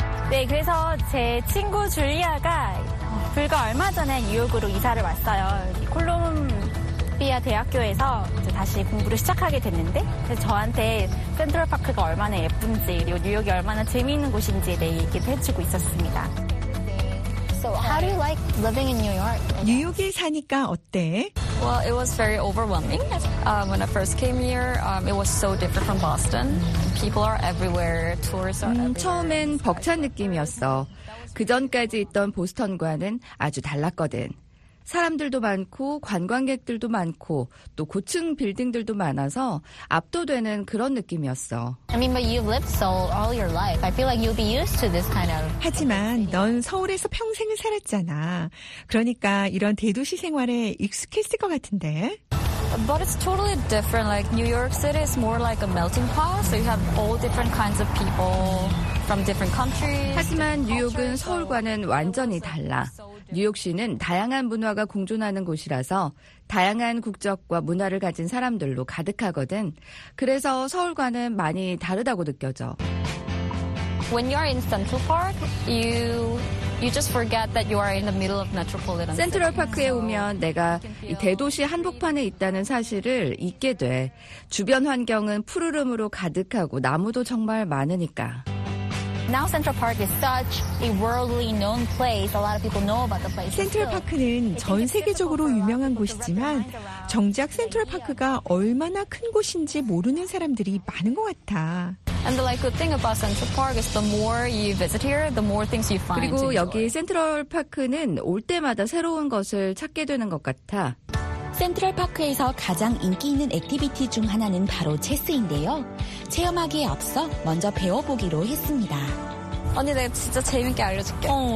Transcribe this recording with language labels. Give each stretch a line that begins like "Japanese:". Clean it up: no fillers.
Korean: 네, 그래서 제 친구 줄리아가 불과 얼마 전에 뉴욕으로 이사를 왔어요. 콜롬비아 대학교에서 이제 다시 공부를 시작하게 됐는데 저한테 센트럴파크가 얼마나 예쁜지 그리고 뉴욕이 얼마나 재미있는 곳인지에 대해 얘기를 해주고 있었습니다.
English: So how do you like living in New York?
Korean: 뉴욕에 사니까 어때?
English: Well, it was very overwhelming. When I first came here, it was so different from Boston. People are everywhere. Tourists are everywhere.
Korean: 처음엔 벅찬 느낌이었어. 그전까지 있던 보스턴과는 아주 달랐거든. 사람들도 많고 관광객들도 많고 또 고층 빌딩들도 많아서 압도되는 그런 느낌이었어.
English: I mean, but you've lived Seoul all your life. I feel like you'll be used to this kind of.
Korean: 하지만 넌 서울에서 평생을 살았잖아. 그러니까 이런 대도시 생활에 익숙했을 것 같은데.
English: But it's totally different. Like New York City is more like a melting pot. So you have all different kinds of people from different countries.
Korean: 하지만 뉴욕은 서울과는 완전히 달라. 뉴욕시는 다양한 문화가 공존하는 곳이라서 다양한 국적과 문화를 가진 사람들로 가득하거든. 그래서 서울과는 많이 다르다고 느껴져.
English: When you're in Central Park, you just forget that you are in the middle of metropolitan.
Korean: 센트럴파크에 오면 내가 이 대도시 한복판에 있다는 사실을 잊게 돼. 주변 환경은 푸르름으로 가득하고 나무도 정말 많으니까.
English: Now Central Park is such a worldly known place. A lot of people know about the place.
Korean: 센트럴파크는 전 세계적으로 유명한 곳이지만 정작 센트럴파크가 얼마나 큰 곳인지 모르는 사람들이 많은 것 같아.
English: And the like good thing about Central Park is the more you visit here, the more things you find.
Korean: 그리고 여기 센트럴파크는 올 때마다 새로운 것을 찾게 되는 것 같아. 센트럴파크에서 가장 인기 있는 액티비티 중 하나는 바로 체스인데요. 체험하기에 앞서 먼저 배워보기로 했습니다. 언니, 내가 진짜 재밌게 알려줄게.